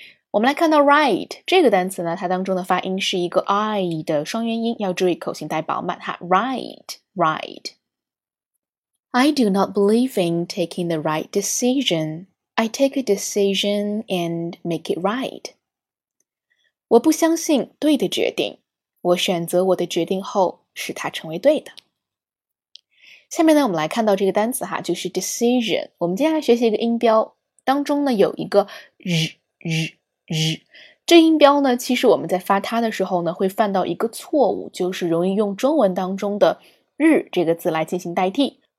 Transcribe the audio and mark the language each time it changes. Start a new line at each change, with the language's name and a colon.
Chinese: 我们来看到 right 这个单词呢，它当中的发音是一个 I 的双元音，要注意口型带饱满哈。
English: Right. I do not believe in taking the right decision. I take a decision and make it right.
Chinese: 我不相信对的决定，我选择我的决定后使它成为对的。下面呢我们来看到这个单词哈，就是 decision。我们接下来学习一个音标，当中呢有一个 r, r, r 这音标呢，其实我们在发它的时候呢会犯到一个错误，就是容易用中文当中的日这个字来进行代替。